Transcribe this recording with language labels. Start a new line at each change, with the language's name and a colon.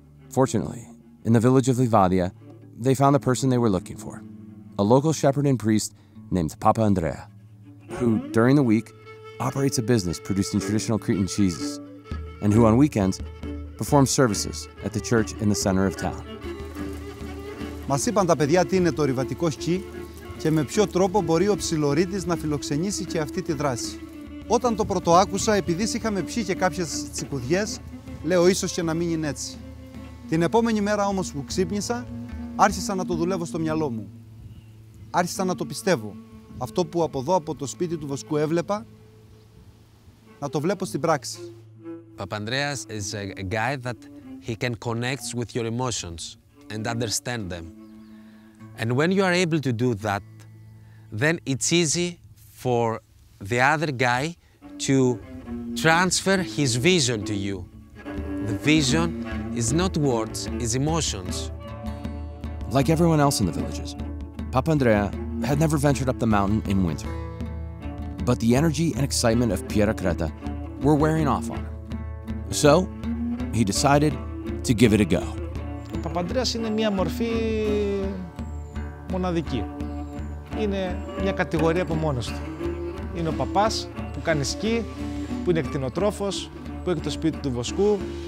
English: Fortunately, in the village of Livadia, they found the person they were looking for, a local shepherd and priest named Papa Andrea, who, during the week, operates a business producing traditional Cretan cheeses, and who, on weekends, performs services at the church in the center of town.
Greek: Μας είπαν τα παιδιά τι είναι το ριβατικό σκι και με ποιο τρόπο μπορεί ο ψιλορίτης να φιλοξενήσει και αυτή τη δράση. Όταν το πρωτοάκουσα, επειδή είχαμε πιει και κάποιες τσικουδιές, λέω ίσως και να μην είναι έτσι. Την επόμενη μέρα όμως που ξύπνησα, άρχισα να το δουλεύω στο μυαλό μου. Άρχισα να το πιστεύω. Αυτό που από εδώ, από το σπίτι του Βοσκού έβλεπα, να το βλέπω στην πράξη.
English: Παπανδρέας is a guy that he can connect with your emotions and understand them. And when you are able to do that, then it's easy for the other guy to transfer his vision to you. The vision is not words, it's emotions. Like everyone else in the villages, Papandrea had never ventured up the mountain in winter. But the energy and excitement of Piera Creta were wearing off on him. So he decided to give it a go.
Greek: Papandreas είναι μια μορφή μοναδική. Είναι μια κατηγορία από μόνος του. Είναι ο παπάς που κάνει σκι, που είναι εκτινοτρόφος, που έχει το σπίτι του Βοσκού.